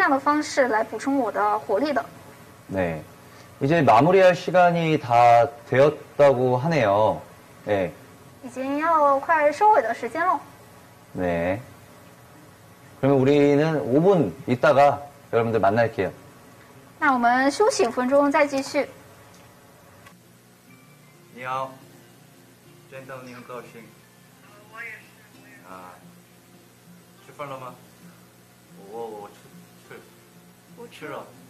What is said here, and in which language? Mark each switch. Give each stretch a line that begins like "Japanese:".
Chinese: 我是怎么补充我的活力呢？就像今天，像这样和大家一起沟通度过时间。虽然我们不是面对面，但是我觉得大家就在我的面前，我是通过这样的方式来补充我的活力的。
Korean: 네, 이제 마무리할 시간이 다 되었다고 하네요. 네.
Chinese: 已经要快收尾的时间了。
Korean: 네. 그러면 우리는 5분 있다가 여러분들 만날게요.
Chinese: 那我们休息5分钟再继续。你好，真的很高兴。我也是。啊，吃饭了吗？我吃了。